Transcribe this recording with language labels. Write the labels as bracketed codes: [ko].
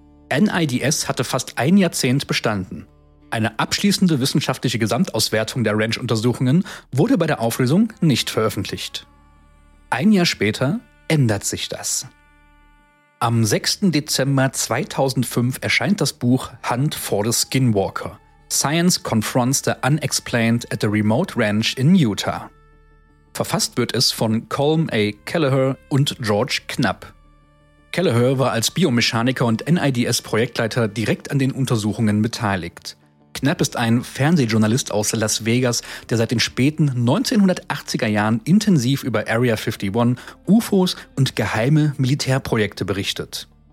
[de] NIDS hatte fast ein Jahrzehnt bestanden. Eine abschließende wissenschaftliche Gesamtauswertung der Ranch-Untersuchungen wurde bei der Auflösung nicht veröffentlicht. Ein Jahr später ändert sich das. Am 6. Dezember 2005 erscheint das Buch Hunt for the Skinwalker. [en] Science confronts the unexplained at a remote ranch in Utah. [de] Verfasst wird es von Colm A. Kelleher und George Knapp. Kelleher war als Biomechaniker und NIDS-Projektleiter direkt an den Untersuchungen beteiligt. Knapp ist ein Fernsehjournalist aus Las Vegas, der seit den späten 1980er Jahren intensiv über Area 51, UFOs und geheime Militärprojekte berichtet.